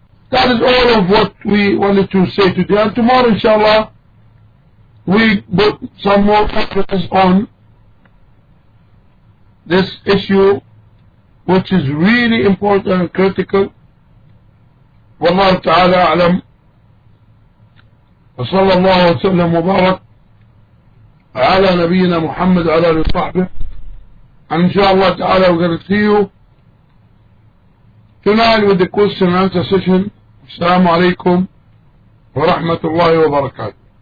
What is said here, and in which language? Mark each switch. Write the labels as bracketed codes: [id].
[en] That is all of what we wanted to say today. And tomorrow, inshallah, we put some more emphasis on this issue, which is really important and critical. [ar] والله تعالى أعلم. وصلى الله وسلم وبارك على نبينا محمد وعلى آله وصحبه. إن شاء الله تعالى [en] we're going to see you tonight with the question and answer session. [ar] السلام عليكم ورحمة الله وبركاته.